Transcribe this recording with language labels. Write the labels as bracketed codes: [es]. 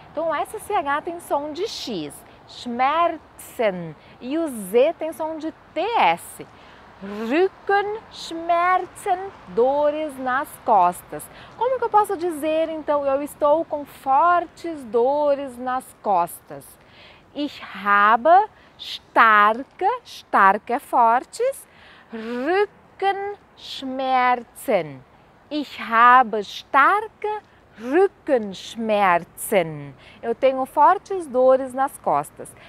[pt] Então o SCH tem som de X. Schmerzen. E o Z tem som de TS. [de] Rücken, Schmerzen, [pt] dores nas costas. Como que eu posso dizer então eu estou com fortes dores nas costas? [de] Ich habe starke, starke [pt] é fortes, [de] Rückenschmerzen. Ich habe starke Rückenschmerzen. [pt] Eu tenho fortes dores nas costas.